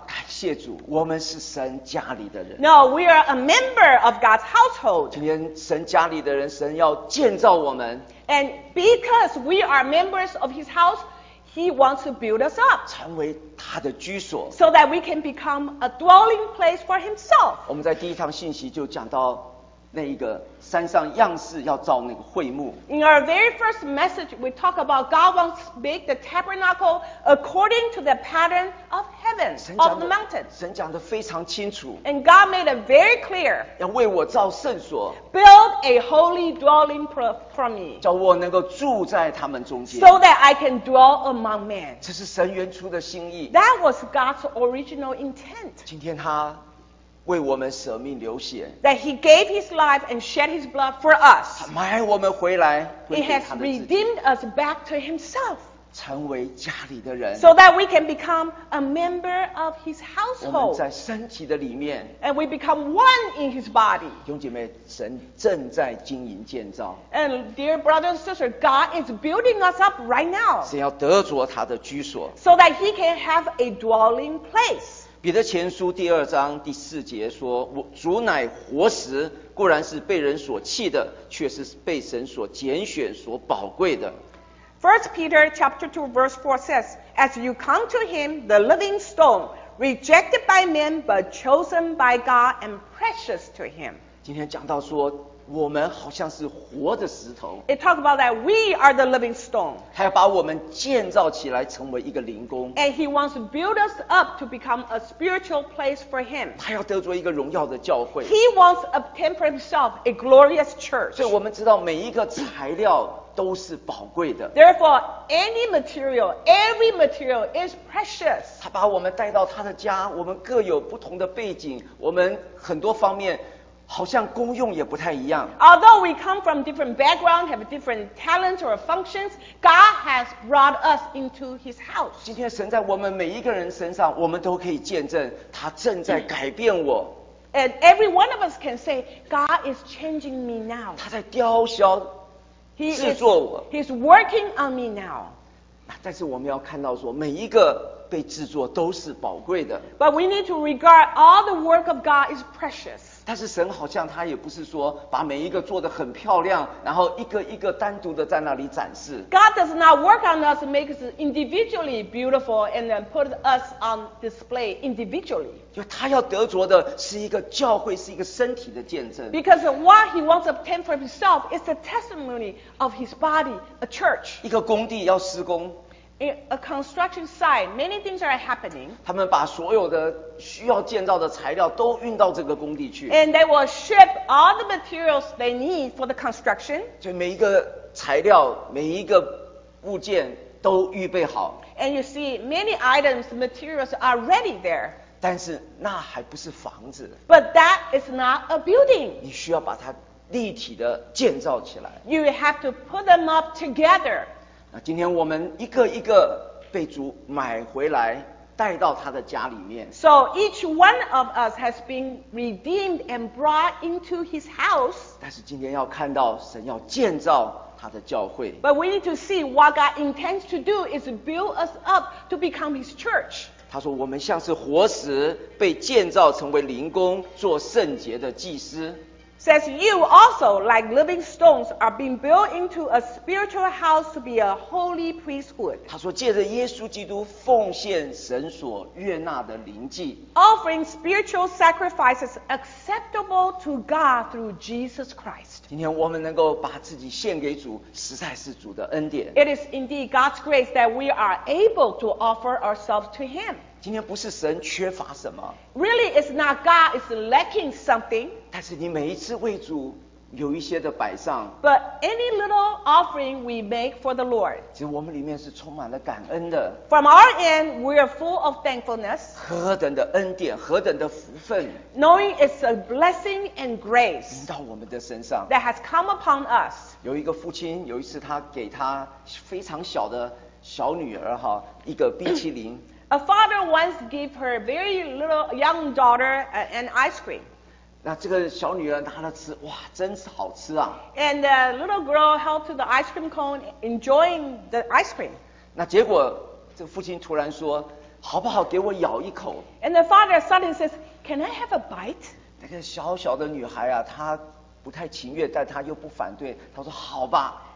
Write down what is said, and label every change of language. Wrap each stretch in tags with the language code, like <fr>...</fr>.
<zh>感谢主，我们是神家里的人。</zh> <en>No, we are a member of God's household.</en> <zh>今天神家里的人，神要建造我们。</zh> <en>And because we are members of his house, he wants to build us up.</en> <zh>成为他的居所。</zh> <en>So that we can become a dwelling place for himself.</en> <zh>我们在第一堂信息就讲到那一个山上样式要造那个会幕。</zh> <en>In our very first message, we talk about God wants to make the tabernacle according to the pattern of heaven, of the mountain.</en> <zh>神讲得非常清楚。</zh> <en>And God made it very clear.</en> <zh>要为我造圣所。</zh> <en>Build a holy dwelling for me.</en> <zh>叫我能够住在他们中间。</zh> <en>So that I can dwell among men.</en> <zh>这是神原初的心意。</zh> <en>That was God's original intent.</en> <zh>今天他为我们舍命流血。</zh> <en>That he gave his life and shed his blood for us.</en> <zh>买我们回来。</zh> <en>He has redeemed us back to himself.</en> <zh>成为家里的人。</zh> <en>So that we can become a member of his household.</en> <zh>我们在身体的里面。</zh> <en>And we become one in his body.</en> <zh>弟兄姐妹，神正在经营建造。</zh> <en>And dear brothers and sisters, God is building us up right now.</en> <zh>神要得着他的居所。</zh> <en>So that he can have a dwelling place.</en> <zh>彼得前书第二章第四节说，我主乃活石，固然是被人所弃的，却是被神所拣选所宝贵的。</zh> <en>First Peter chapter 2 verse 4 says, As you come to him, the living stone, rejected by men, but chosen by God and precious to him.</en> <zh>今天讲到说我们好像是活的石头。</zh> <en>It talks about that we are the living stone.</en> <zh>他要把我们建造起来成为一个灵宫。</zh> <en>And he wants to build us up to become a spiritual place for him.</en> <zh>他要得着一个荣耀的教会。</zh> <en>He wants to obtain for himself a glorious church.</en> <zh>所以我们知道每一个材料都是宝贵的。</zh> <en>Therefore, any material, every material is precious.</en> <zh>他把我们带到他的家，我们各有不同的背景，我们很多方面好像功用也不太一样。</zh> <en>Although we come from different backgrounds, have different talents or functions, God has brought us into his house.</en> <zh>今天神在我们每一个人身上，我们都可以见证他正在改变我。</zh> <en>And every one of us can say, God is changing me now.</en> <zh>他在雕削制作我。</zh> <en>He's working on me now.</en> <zh>但是我们要看到说每一个被制作都是宝贵的。</zh> <en>But we need to regard all the work of God is precious.</en> <zh>但是神好像他也不是说把每一个做得很漂亮，然后一个一个单独的在那里展示。</zh> <en>God does not work on us, make us individually beautiful, and then put us on display individually.</en> <zh>就他要得着的是一个教会，是一个身体的见证。</zh> <en>Because what he wants to obtain for himself is the testimony of his body, a church.</en> <zh>一个工地要施工。</zh> <en>In a construction site, many things are happening.</en> <zh>他们把所有的需要建造的材料都运到这个工地去。</zh> <en>And they will ship all the materials they need for the construction.</en> <zh>所以每一个材料，每一个物件都预备好。</zh> <en>And you see, many items, materials are ready there.</en> <zh>但是那还不是房子。</zh> <en>But that is not a building.</en> <zh>你需要把它立体的建造起来。</zh> <en>You have to put them up together.</en> <zh>那今天我们一个一个被主买回来，带到他的家里面。</zh> <en>So each one of us has been redeemed and brought into his house.</en> <zh>但是今天要看到神要建造他的教会。</zh> <en>But we need to see what God intends to do is build us up to become his church.</en> <zh>他说我们像是活石被建造成为灵宫，做圣洁的祭司。</zh> <en>Says you also, like living stones, are being built into a spiritual house to be a holy priesthood.</en> <zh>他说借着耶稣基督奉献神所悦纳的灵祭。</zh> <en>Offering spiritual sacrifices acceptable to God through Jesus Christ.</en> <zh>今天我们能够把自己献给主，实在是主的恩典。</zh> <en>It is indeed God's grace that we are able to offer ourselves to Him.</en> <zh>今天不是神缺乏什么。</zh> <en>Really, it's not God is lacking something.</en> <zh>但是你每一次为主有一些的摆上。</zh> <en>But any little offering we make for the Lord.</en> <zh>其实我们里面是充满了感恩的。</zh> <en>From our end, we are full of thankfulness.</en> <zh>何等的恩典，何等的福分。</zh> <en>Knowing it's a blessing and grace.</en> <zh>临到我们的身上。</zh> <en>That has come upon us.</en> <zh>有一个父亲，有一次他给他非常小的小女儿哈一个冰淇淋。</zh> <en>A father once gave her very little young daughter an ice cream.</en> <zh>那这个小女儿拿了吃，哇，真是好吃啊。</zh> <en>And the little girl held to the ice cream cone, enjoying the ice cream.</en> <zh>那结果，这父亲突然说，好不好给我咬一口。</zh> <en>And the father suddenly says, can I have a bite?</en> <zh>那个小小的女孩啊，她不太情愿，但她又不反对，她说好吧。</zh>